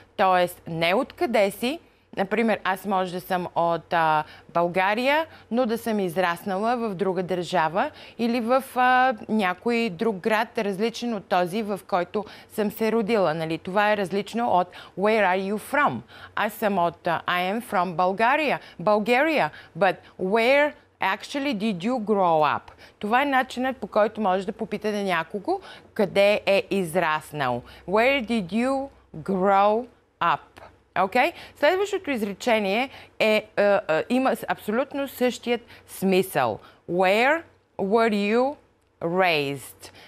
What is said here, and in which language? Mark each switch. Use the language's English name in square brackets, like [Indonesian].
[Bulgarian] Тоест, не откъде си. Например, аз може да съм от България, но да съм израснала в друга държава или в някой друг град, различен от този, в който съм се родила. Нали? Това е различно от [English] where are you from? [Bulgarian] Аз съм от [English] I am from Bulgaria, but where actually did you grow up? [Bulgarian] Това е начинът, по който можеш да попитате някого къде е израснал. [English] Where did you grow up? Okay? [Bulgarian] Следващото изречение има абсолютно същият смисъл. [English] Where were you raised?